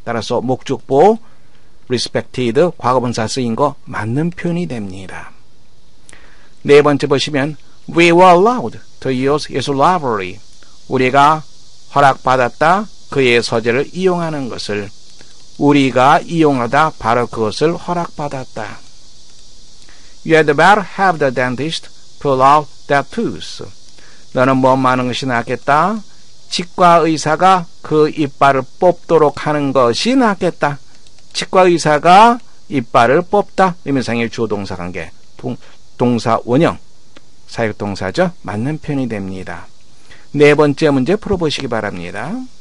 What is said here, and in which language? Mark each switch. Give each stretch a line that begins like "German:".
Korean: 따라서 목적보 respected 과거분사 쓰인 거 맞는 표현이 됩니다. 네 번째 보시면
English: we were allowed to use his library.
Korean: 우리가 허락받았다. 그의 서재를 이용하는 것을 우리가 이용하다. 바로 그것을 허락받았다.
English: You had better have the dentist pull out that tooth.
Korean: 너는 뭐 많은 것이 낫겠다. 치과의사가 그 이빨을 뽑도록 하는 것이 낫겠다. 치과의사가 이빨을 뽑다. 의미상의 주어동사관계 동사원형 사역동사죠. 맞는 표현이 됩니다. 네 번째 문제 풀어보시기 바랍니다.